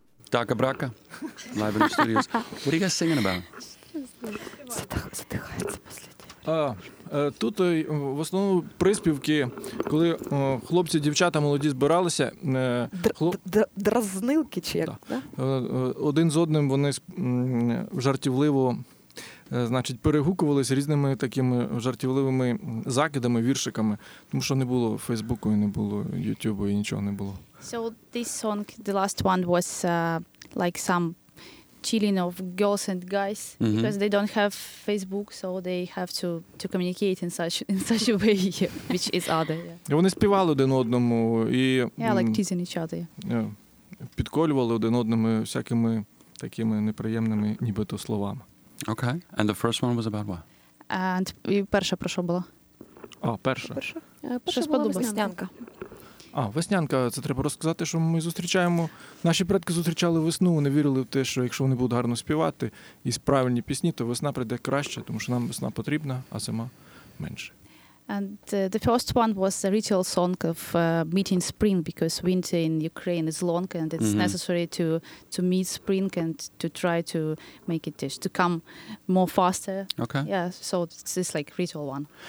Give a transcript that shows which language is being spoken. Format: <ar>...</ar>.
<en>Дака Брака, live in the studios. What are you guys singing about? Задихається последнє.</en> <uk>Тут в основному приспівки, коли хлопці, дівчата, молоді збиралися. Дразнилки чи як? Да. Один з одним вони жартівливо, значить, перегукувалися різними такими жартівливими закидами, віршиками. Тому що не було Фейсбуку, і не було Ютубу, і нічого не було.</uk> <en>So this song, the last one, was like some chilling of girls and guys, mm-hmm. because they don't have Facebook, so they have to communicate in such a way, which is other. Yeah.</en> <uk>Вони співали один одному і</uk> <en>like teasing each other.</en> <uk>Підколювали один одному всякими такими неприємними нібито словами.</uk> <en>Okay, and the first one was about what?</en> <uk>And і перша про що була? А, перша. Перша була веснянка. А, веснянка, це треба розказати, що ми зустрічаємо. Наші предки зустрічали весну, вони вірили в те, що якщо вони будуть гарно співати і правильні пісні, то весна прийде краще, тому що нам весна потрібна, а зима менше.</uk> <en>And the first one was a ritual song of meeting spring, because winter in Ukraine is long and it's mm-hmm. necessary to meet spring and to try to make it to come more faster. Okay. Yeah, so it's like ritual one.</en>